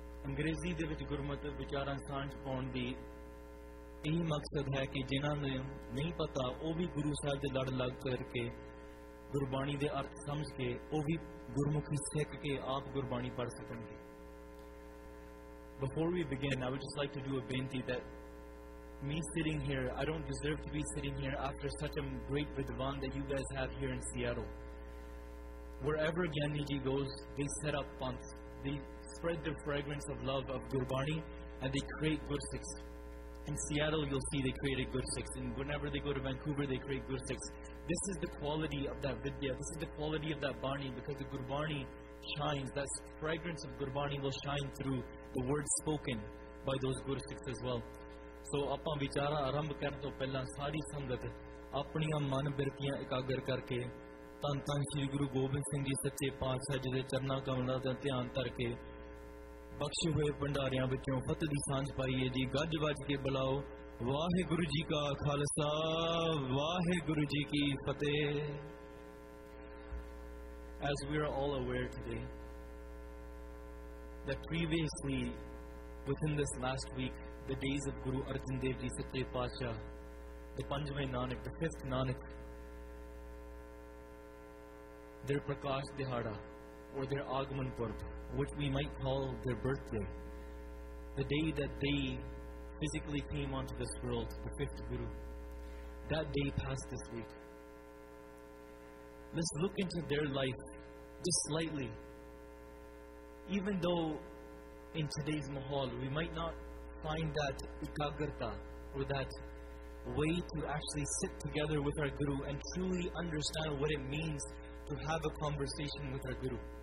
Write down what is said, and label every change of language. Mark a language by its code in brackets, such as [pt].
[pa] ਅੰਗਰੇਜ਼ੀ ਦੇ ਵਿੱਚ ਗੁਰਮਤਿ ਵਿਚਾਰਾਂ ਸਾਂਝ ਪਾਉਣ ਦੀ ਇਹ ਮਕਸਦ ਹੈ ਕਿ ਜਿਨ੍ਹਾਂ ਨੇ ਨਹੀਂ ਪਤਾ ਉਹ ਵੀ ਗੁਰੂ ਸਾਹਿਬ ਦੇ ਲੜ ਲੜ ਕਰਕੇ ਗੁਰਬਾਣੀ ਦੇ ਅਰਥ ਸਮਝ ਕੇ ਉਹ ਵੀ ਗੁਰਮੁਖੀ ਸਿੱਖ ਕੇ ਆਪ ਗੁਰਬਾਣੀ ਪੜ੍ਹ ਸਕਣਗੇ [en] Before we begin, I would just like to do a binti that me sitting here, I don't deserve to be sitting here after such a great vidwan that you guys have here in Seattle. Wherever Gyaniji goes, they set up panth. They spread the fragrance of love of Gurbani and they create gursikhs. In Seattle, you'll see they created gursikhs. And whenever they go to Vancouver, they create gursikhs. This is the quality of that vidya. This is the quality of that bani because the Gurbani shines. That fragrance of Gurbani will shine through the words spoken by those gursikhs as well. [pa] So, ਆਪਾਂ ਵਿਚਾਰਾਂ ਆਰੰਭ ਕਰਨ ਤੋਂ ਪਹਿਲਾਂ ਸਾਰੀ ਸੰਗਤ ਆਪਣੀਆਂ ਮਨ ਬਿਰਤੀਆਂ ਇਕਾਗਰ ਕਰਕੇ ਧੰਨ ਧੰਨ ਸ੍ਰੀ ਗੁਰੂ ਗੋਬਿੰਦ ਸਿੰਘ ਜੀ ਸੱਚੇ ਪਾਤਸ਼ਾਹ ਜੀ ਦੇ ਚਰਨਾਂ ਕਮਲਾਂ ਦਾ ਧਿਆਨ ਧਰਕੇ ਬਖਸ਼ੇ ਹੋਏ ਭੰਡਾਰਿਆਂ ਵਿੱਚੋਂ ਫਤਿਹ ਦੀ ਸਾਂਝ ਪਾਈਏ ਜੀ ਗੱਜ ਵੱਜ ਕੇ ਬੁਲਾਓ ਵਾਹਿਗੁਰੂ ਜੀ ਕਾ ਖਾਲਸਾ ਵਾਹਿਗੁਰੂ ਜੀ ਕੀ ਫਤਿਹ [en] As we are all aware today that previously within this last week The days of Guru Arjan Dev Ji, Satya Pacha, the Panjwai Nanak, the fifth Nanak, their Prakash Dihara, or their Agamon Purva, which we might call their birthday, the day that they physically came onto this world, the fifth Guru, that day passed this week. Let's look into their life just slightly. Even though in today's mahal, we might not find that ikagarta or that way to actually sit together with our Guru and truly understand what it means to have a conversation with our Guru.